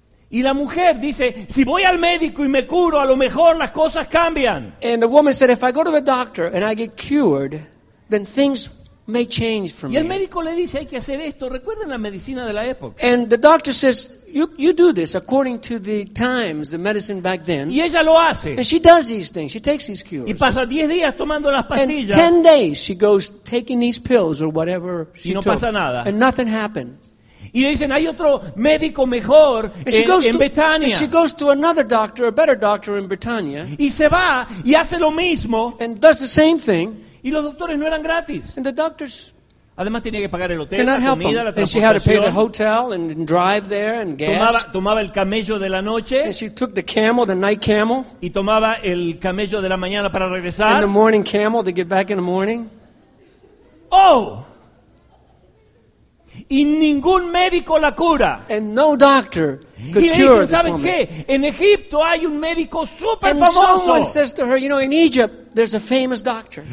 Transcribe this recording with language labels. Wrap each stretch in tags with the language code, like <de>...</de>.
<es>Y la mujer dice, "Si voy al médico y me curo, a lo mejor las cosas cambian."</es> <en>And the woman said, "If I go to the doctor and I get cured, then things may change for</en> <es>y</es> <en>me."</en> <es>Y el médico le dice, "Hay que hacer esto. Recuerden la medicina de la época."</es> <en>And the doctor says, You do this according to the times, the medicine back then.</en> <es>Y ella lo hace.</es> <en>And she does these things. She takes these cures.</en> <es>Y pasa 10 días tomando las pastillas.</es> <en>And 10 days she goes taking these pills or whatever she took.</en> <es>Y no pasa nada.</es> <en>And nothing happened.</en> <es>Y le dicen, hay otro médico mejor en Betania.</es> <en>And she goes to another doctor, a better doctor in Betania.</en> <es>Y se va y hace lo mismo.</es> <en>And does the same thing.</en> <es>Y los doctores no eran gratis.</es> <en>And the doctors...</en> <es>Además tenía que pagar el hotel, la comida, la transportación.</es> <en>And she had to pay the hotel and drive there and gas.</en> <es>Tomaba el camello de la noche.</es> <en>And she took the camel, the night camel.</en> <es>Y tomaba el camello de la mañana para regresar.</es> <en>And the morning camel to get back in the morning. Oh.</en> <es>Y ningún médico la cura.</es> <en>And no doctor could cure this woman.</en> <es>Y le dicen, ¿saben qué? En Egipto hay un médico súper famoso.</es> <en>And someone says to her, you know, in Egypt there's a famous doctor.</en>